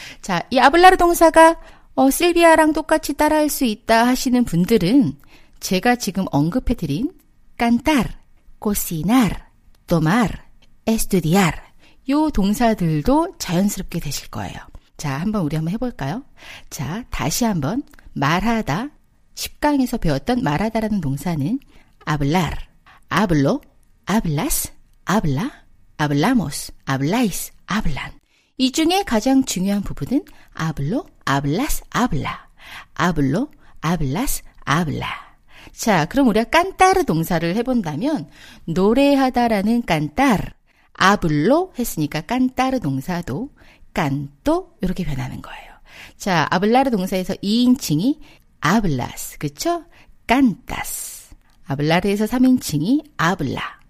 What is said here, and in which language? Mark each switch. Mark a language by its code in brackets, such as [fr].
[ko] 자, 이 아블라르 동사가 실비아랑 똑같이 따라할 수 있다 하시는 분들은 제가 지금 언급해드린 깐딸, 코시날, 도말, 에스투디알 요 동사들도 자연스럽게 되실 거예요. 자, 한번 우리 한번 해볼까요? 자, 다시 한번 말하다. 10강에서 배웠던 말하다라는 동사는 [es] hablar, hablo, hablas, habla, hablamos, habláis, hablan. [ko] 이 중에 가장 중요한 부분은 [es] hablo, hablas, habla, hablo, hablas, habla. [ko] 자, 그럼 우리가 cantar 동사를 해본다면 노래하다라는 cantar. 아블로 했으니까 깐따르 동사도 깐또 이렇게 변하는 거예요. 자, 아블라르 동사에서 2인칭이 아블라스, 그쵸? 깐따스. 아블라르에서 3인칭이 아블라,